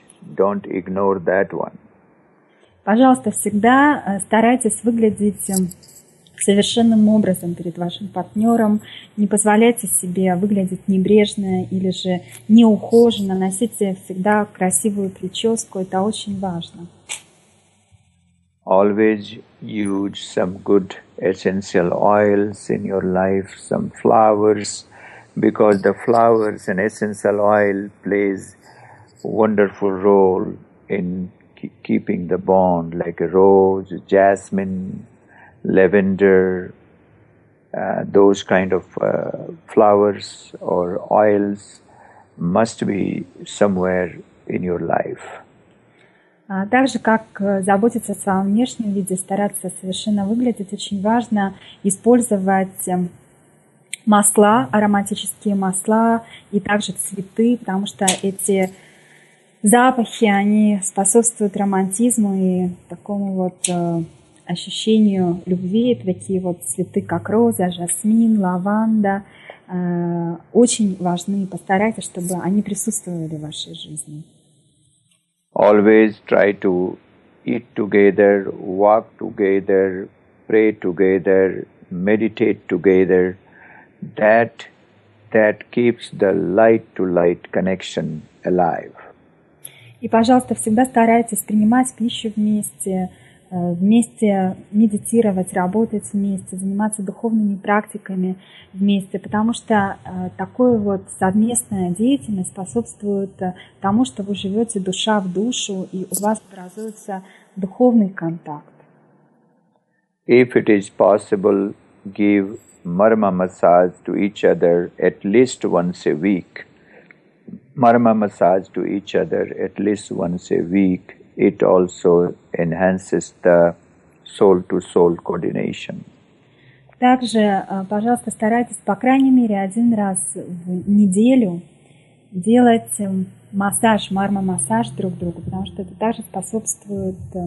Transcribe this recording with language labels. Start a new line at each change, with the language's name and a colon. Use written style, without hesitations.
English: Don't ignore that one.
Russian: Пожалуйста, всегда старайтесь выглядеть совершенным образом перед вашим партнером. Не позволяйте себе выглядеть небрежно или же неухоженно. Носите всегда красивую прическу. Это очень важно.
English: Always use some good essential oils in your life, some flowers, because the flowers and essential oil plays wonderful role in keeping the bond, like a rose, jasmine, lavender, those kind of flowers or oils must be somewhere in your life.
Russian: Также, как заботиться о своем внешнем виде, стараться совершенно выглядеть, очень важно использовать масла, ароматические масла и также цветы, потому что эти запахи, они способствуют романтизму и такому вот ощущению любви. Это такие вот цветы, как роза, жасмин, лаванда, очень важны. Постарайтесь, чтобы они присутствовали в вашей жизни.
English: Always try to eat together, walk together, pray together, meditate together. That keeps the light-to-light connection alive.
Russian: И, пожалуйста, всегда старайтесь принимать пищу вместе, вместе медитировать, работать вместе, заниматься духовными практиками вместе, потому что такая вот совместная деятельность способствует тому, что вы живете душа в душу, и у вас образуется духовный контакт.
English: if it is possible, give marma massage to each other at least once a week. Marma massage to each other at least once a week. It also enhances the soul-to-soul coordination.
Russian: Также, пожалуйста, старайтесь по крайней мере один раз в неделю делать массаж, марма-массаж друг другу, потому что это также способствует